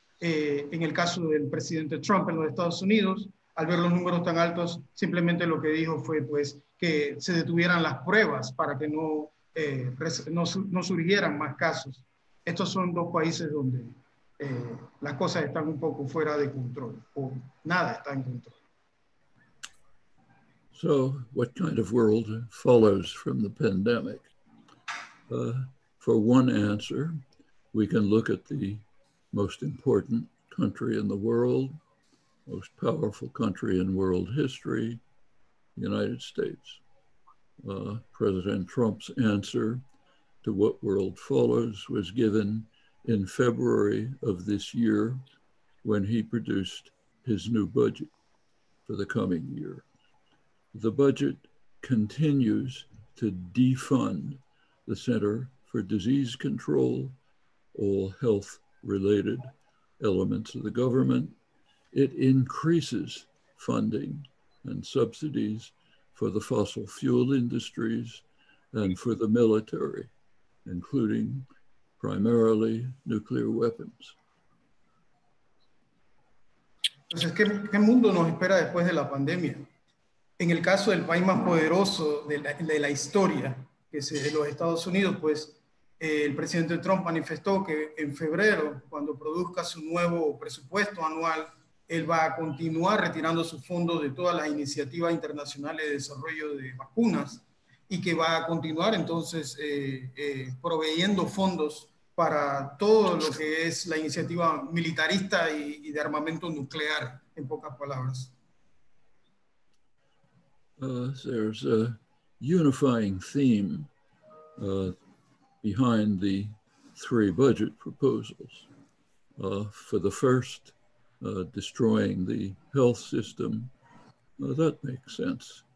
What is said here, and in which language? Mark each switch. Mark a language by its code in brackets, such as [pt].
[es] En el caso del presidente Trump en los Estados Unidos, al ver los números tan altos, simplemente lo que dijo fue pues, que se detuvieran las pruebas para que no surgieran más casos. Estos son dos países donde las cosas están un poco fuera de control, o nada está en control. [en] So, what kind of world follows from the pandemic? For one answer, we can look at the most important country in the world, most powerful country in world history, the United States. President Trump's answer to what world follows was given in February of this year when he produced his new budget for the coming year. The budget continues to defund the Center for Disease Control, all health related elements of the government. It increases funding and subsidies for the fossil fuel industries and for the military, including primarily nuclear weapons. [es] Entonces, ¿qué mundo nos espera después de la pandemia? En el caso del país más poderoso de la historia, que es de los Estados Unidos, pues el presidente Trump manifestó que en febrero, cuando produzca su nuevo presupuesto anual, él va a continuar retirando sus fondos de todas las iniciativas internacionales de desarrollo de vacunas y que va a continuar entonces proveyendo fondos para todo lo que es la iniciativa militarista y de armamento nuclear, en pocas palabras. [en] There's a unifying theme behind the three budget proposals. For the first, destroying the health system, that makes sense.